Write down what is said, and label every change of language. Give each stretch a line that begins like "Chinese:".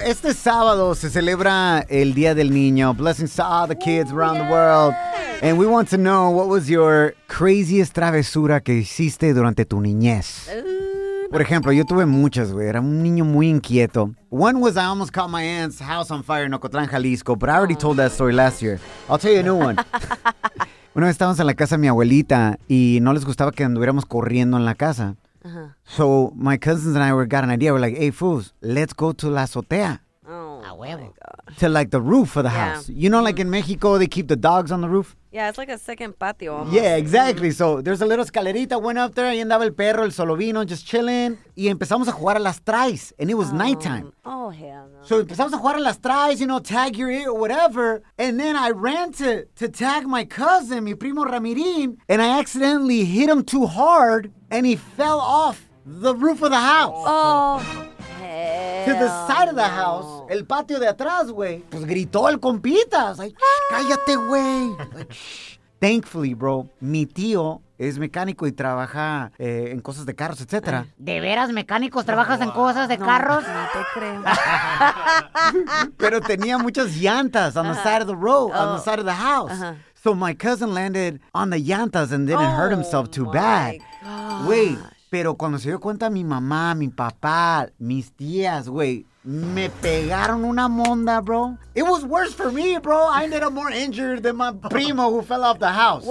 Spanish: Este sábado se celebra el Día del Niño.
English: Blessings to all the kids around the world. And we want to know, what was your craziest
Spanish: travesura que hiciste durante tu niñez? Por ejemplo, yo tuve muchas, güey. Era un niño muy inquieto.
English: One was I almost caught my aunt's house on fire in Ocotlán, Jalisco. But I already told that story last year. I'll tell you a new one.
Spanish: Una vez estábamos en la casa de mi abuelita y no les gustaba que anduviéramos corriendo en la casa.
English: Uh-huh. So my cousins and I got an idea. We're like, hey, fools, let's go to
Spanish: la azotea.
English: Oh. to like the roof of the house. You know, like in Mexico, they keep the dogs on the roof. Yeah, it's like a second patio almost. Yeah, exactly. So there's a little escalerita, went up there,
Spanish: y andaba el perro, el solovino,
English: just chilling.
Spanish: Y empezamos a jugar a las traes,
English: and it was nighttime. Oh, hell no. So
Spanish: empezamos a jugar a las traes,
English: you know, tag your ear or whatever. And then I ran to tag my cousin,
Spanish: mi primo
English: Ramirín, and I accidentally hit him too hard, and he fell off the roof of the house. Oh, oh. To the side of the house,
Spanish: el patio de atrás, güey, pues gritó el compita.
English: I was like, shh,
Spanish: cállate, güey.
English: Thankfully, bro,
Spanish: mi tío es mecánico y trabaja en cosas de carros, etc. ¿De veras, mecánicos, trabajas en cosas de carros? No te creo. Pero tenía muchas llantas
English: on the side of the road, on the side of the house. So my cousin landed on the llantas and didn't hurt himself too bad. Gosh. Wait.
Spanish: Pero cuando se dio cuenta mi mamá, mi papá, mis tías, güey, me pegaron una monda, bro.
English: It was worse for me, bro. I ended up more injured than my primo who fell off the house.